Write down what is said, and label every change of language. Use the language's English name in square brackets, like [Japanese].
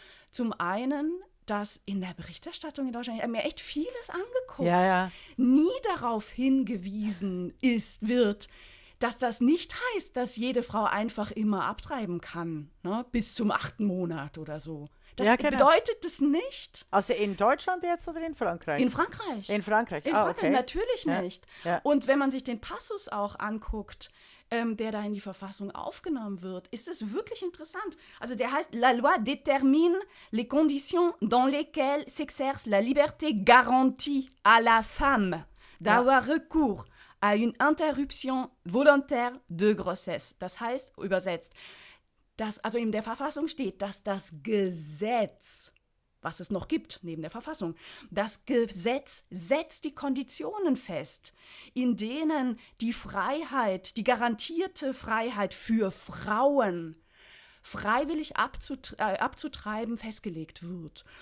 [German] Zum einen, dass in der Berichterstattung in Deutschland, ich habe mir echt vieles angeguckt, nie darauf hingewiesen ist, wird, dass das nicht heißt, dass jede Frau einfach immer abtreiben kann, ne, bis zum 8. Monat oder so. Das bedeutet das nicht. Also in Deutschland jetzt oder in Frankreich? In Frankreich. In Frankreich, in Frankreich. Oh, okay. Natürlich nicht. Ja. Ja. Und wenn man sich den Passus auch anguckt, der da in die Verfassung aufgenommen wird, ist es wirklich interessant. Also der heißt, [French] la loi détermine les conditions dans lesquelles s'exerce la liberté garantie à la femme d'avoir recours à une interruption volontaire de grossesse. [German] Das heißt, übersetzt, dass also in der Verfassung steht, dass das Gesetz, was es noch gibt neben der Verfassung, das Gesetz setzt die Konditionen fest, in denen die Freiheit, die garantierte Freiheit für Frauen, freiwillig abzutreiben, festgelegt wird.